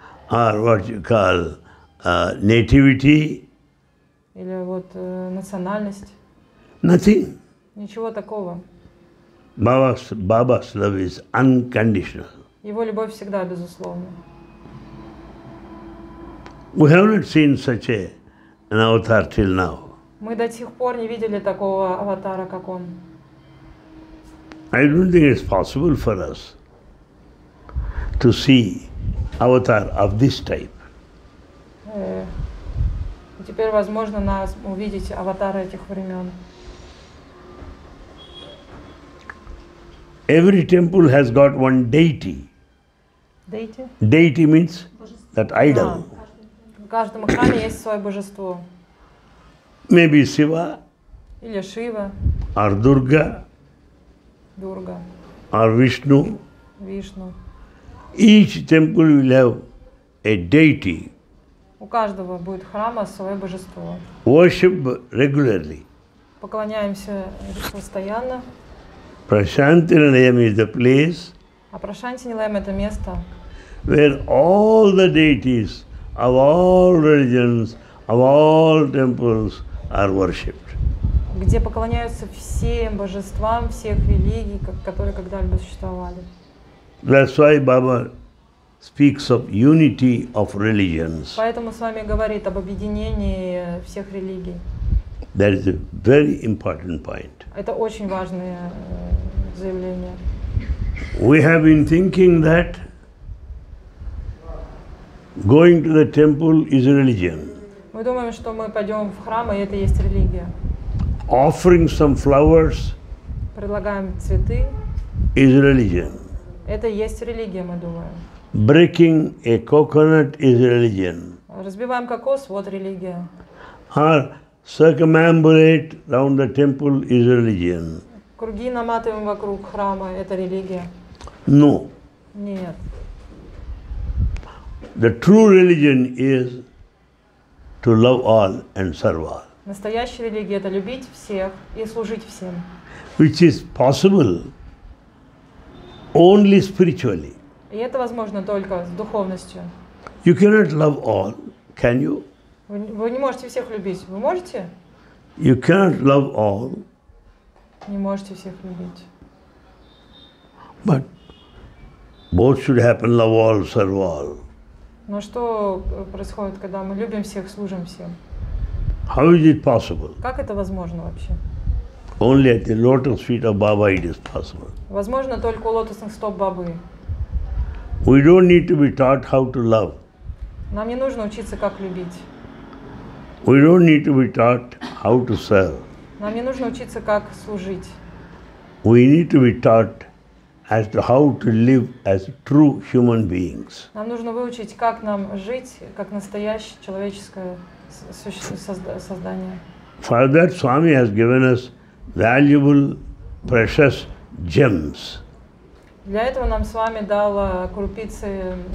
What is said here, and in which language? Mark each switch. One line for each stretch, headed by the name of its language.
English: Or what you call nativity.
Russian: Или вот национальность.
English: Nothing.
Russian: Ничего такого.
English: Baba's love is unconditional.
Russian: Его любовь всегда безусловна.
English: We have not seen such an avatar till now.
Russian: Мы до сих пор не видели такого аватара, как он.
English: I don't think it's possible for us to see avatar of this type.
Russian: Теперь возможно нас увидеть аватары этих времен.
English: Every temple has got one deity. Deity? Deity means that idol.
Russian: В каждом храме есть свое божество.
English: Maybe Shiva.
Russian: Или Шива.
English: Or Durga.
Russian: Durga.
English: Or Vishnu.
Russian: Vishnu.
English: Each temple will have a deity
Russian: У каждого будет храма свое божество.
English: Worship regularly.
Russian: Поклоняемся постоянно.
English: Prashanti Nilayam is the place.
Russian: А Прашанти Нилаям это место.
English: Where all the deities of all religions, of all temples are worshipped.
Russian: Где поклоняются всем божествам всех религий, которые когда-либо существовали.
English: That's why Baba speaks of unity of religions.
Russian: Поэтому с вами говорит об объединении всех религий.
English: That is a very important point.
Russian: Это очень важное заявление.
English: We have been thinking that going to the temple is a religion.
Russian: Мы думаем, что мы пойдем в храм, и это есть религия.
English: Offering some flowers.
Russian: Предлагаем цветы.
English: Is a religion.
Russian: Это есть религия, мы думаем.
English: Breaking a coconut is religion.
Russian: Разбиваем кокос, вот религия.
English: Or circumambulate around the temple is religion.
Russian: Круги наматываем вокруг храма, это религия.
English: No.
Russian: Нет.
English: The true religion is to love all and serve all.
Russian: Настоящая религия — это любить всех и служить всем.
English: Which is possible only spiritually.
Russian: И это возможно только с духовностью.
English: You cannot love all, can you?
Russian: Вы не можете всех любить. Вы можете?
English: You cannot love all.
Russian: Не можете всех любить.
English: But both should happen, love all, serve all.
Russian: Но что происходит, когда мы любим всех, служим всем?
English: How is it possible?
Russian: Как это возможно вообще?
English: Only at the lotus feet of Baba it is possible.
Russian: Возможно только у лотосных стоп Бабы.
English: We don't need to be taught how to love.
Russian: Нам не нужно учиться, как любить.
English: We don't need to be taught how to serve.
Russian: Нам не нужно учиться, как служить.
English: We need to be taught as to how to live as true human beings.
Russian: Нам нужно выучить, как нам жить, как настоящее человеческое создание.
English: For that, Swami has given us valuable, precious gems.
Russian: Для этого нам Свами дал крупицы